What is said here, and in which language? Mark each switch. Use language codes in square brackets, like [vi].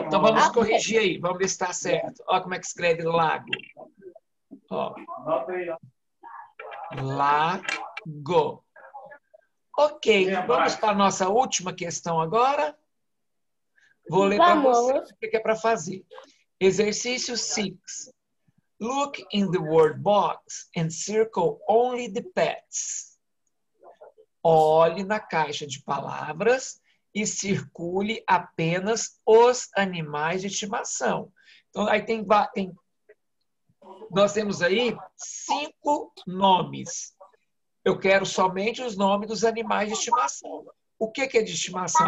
[pt] Então vamos corrigir aí. Vamos ver se está certo. Olha como é que escreve lago. Ó. Lago. Ok, vamos para a nossa última questão agora. Vou ler para vocês o que é para fazer. Exercício 6. [en] Look in the word box and circle only the pets. [pt] Olhe na caixa de palavras e circule apenas os animais de estimação. Então, aí tem nós temos aí 5 nomes. Eu quero somente os nomes dos animais de estimação. O que é de estimação?